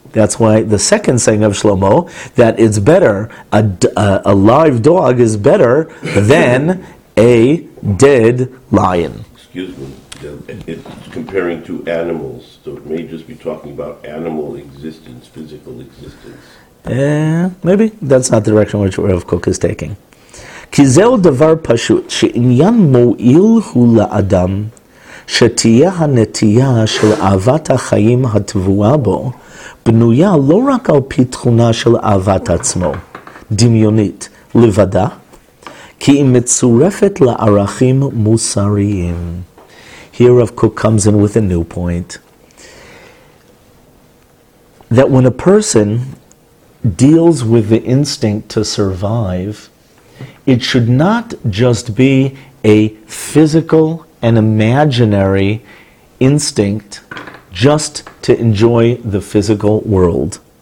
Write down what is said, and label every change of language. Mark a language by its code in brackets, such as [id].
[en] That's why the second saying of Shlomo, that it's better, a live dog is better than a dead lion. Excuse me, it's comparing to animals, so it may just be talking about animal existence, physical existence. Maybe, that's not the direction which Rav Kook is taking. [he] Kizel davar pashut, she'inyan mo'il hu la'adam, she'tiyah ha'netiyah shel avat ha'chayim ha'tvua bo, בנויה לא רק על פי תכונה של אהבת עצמו, דמיונית, לבדה, כי היא מצורפת לערכים מוסריים. [en] Here Rav Kook comes in with a new point. That when a person deals with the instinct to survive, it should not just be a physical and imaginary instinct just to enjoy the physical world.